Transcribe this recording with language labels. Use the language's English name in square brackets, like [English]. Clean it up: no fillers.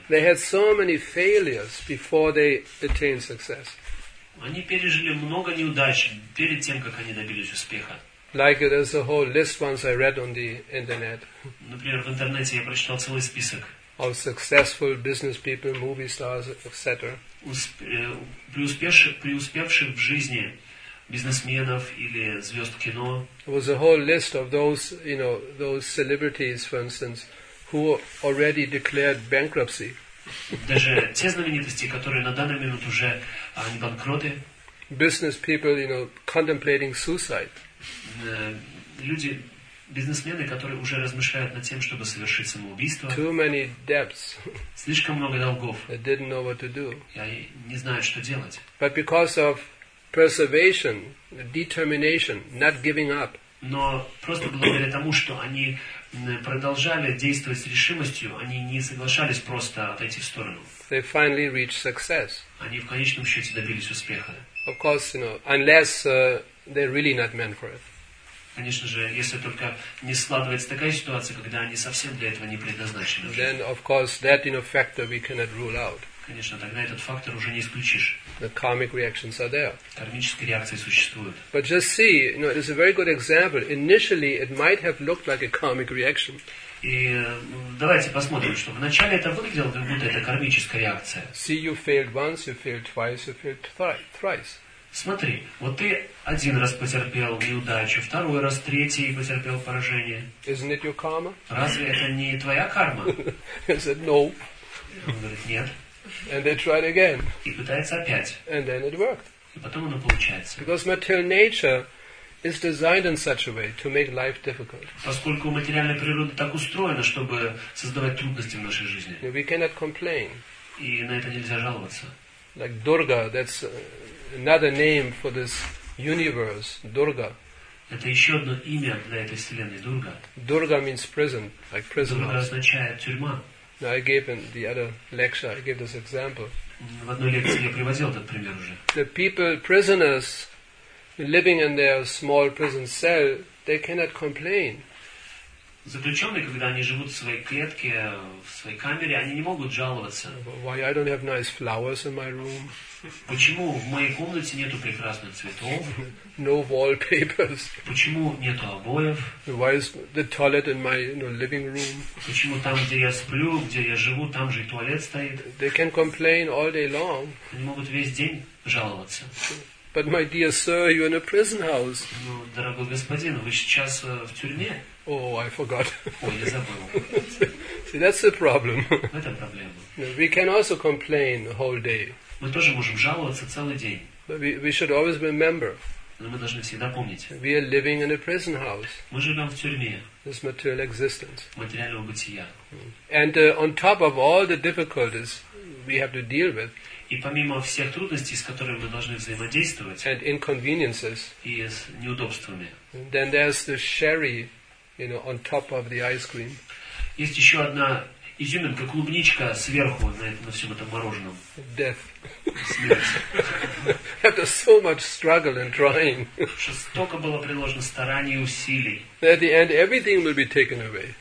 [English] They had so many failures before they attained success. [Russian] Они пережили много неудач перед тем, как они добились успеха. [English] Like there's a whole list once I read on the internet. [Russian] Например, в интернете я прочитал целый список. [English] Of successful business people, movie stars, etc. [Russian] Преуспевших в жизни бизнесменов или звезд кино. [English] There was a whole list of those, you know, those celebrities, for instance, who already declared bankruptcy. [Russian] Даже те знаменитости, которые на данный момент уже они банкроты. [English] Business people, you know, contemplating suicide. [Russian] Люди, бизнесмены, которые уже размышляют над тем, чтобы совершить самоубийство. [English] Too many debts. [Russian] Слишком много долгов. [English] They didn't know what to do. [Russian] И не знают, что делать. [English] But because of preservation, determination, not giving up. [Russian] Но просто благодаря тому, что они продолжали действовать с решимостью, они не соглашались просто отойти в сторону. [English] They finally reached success. [Russian] Они в конечном счете добились успеха. [English] Of course, you know, unless they're really not meant for it. [Russian] Конечно же, если только не складывается такая ситуация, когда они совсем для этого не предназначены. [English] Then, of course, that, you know, factor we cannot rule out. [Russian] Конечно, тогда этот фактор уже не исключишь. [English] The karmic reactions are there. [Russian] Кармические реакции существуют. [English] But just see, you know, it's a very good example. Initially, it might have looked like a karmic reaction. [Russian] И давайте посмотрим, что вначале это выглядело, как будто это кармическая реакция. [English] See, you failed once, you failed twice, you failed thrice. [Russian] Смотри, вот ты один раз потерпел неудачу, второй раз, третий потерпел поражение. [English] Isn't it your karma? [Russian] Разве это не твоя карма? [English] I said, no. [Russian] Он говорит, нет. [English] And they tried again. [Russian] И пытается опять. [English] And then it worked. [Russian] И потом оно получается. [English] Because material nature is designed in such a way to make life difficult. [Russian] Поскольку материальная природа так устроена, чтобы создавать трудности в нашей жизни. [English] We cannot complain. [Russian] И на это нельзя жаловаться. [English] Like Durga, that's another name for this universe, Durga. [Russian] Это еще одно имя для этой вселенной, Durga. [English] Durga means prison, like prison. [Russian] Durga означает тюрьма. [English] I gave in the other lecture, I gave this example. [Russian] В одной лекции я приводил этот пример уже. [English] The people, prisoners, living in their small prison cell, they cannot complain. [Russian] Заключенные, когда они живут в своей клетке, в своей камере, они не могут жаловаться. [English] Why I don't have nice flowers in my room? [Russian] Почему в моей комнате нету прекрасных цветов? [English] No wallpapers. [Russian] Почему нету обоев? [English] Why is the toilet in my, you know, living room? [Russian] Почему там, где я сплю, где я живу, там же и туалет стоит? [English] They can complain all day long. [Russian] Они могут весь день жаловаться. [English] But my dear sir, you're in a prison house. [Russian] Ну, дорогой господин, вы сейчас в тюрьме. [English] Oh, I forgot. [Russian] Ой, я забыл. [English] See, that's the problem. [Russian] Это проблема. [English] We can also complain the whole day. [Russian] Мы тоже можем жаловаться целый день. [English] But we should always remember. [Russian] Но мы должны всегда помнить. [English] We are living in a prison house. [Russian] Мы живем в тюрьме. [English] This material existence. [Russian] Материального бытия. [English] And on top of all the difficulties we have to deal with. [Russian] И помимо всех трудностей, с которыми мы должны взаимодействовать, [English] and inconveniences, [Russian] и с неудобствами, [English] then there's the sherry, you know, on top of the ice cream. [Russian] Есть еще одна изюминка, клубничка сверху на всем этом мороженом. [English] Death. [Russian] Смерть. [English] After so much struggle and trying. [Russian] Столько было приложено стараний и усилий. [English] At the end, everything will be taken away.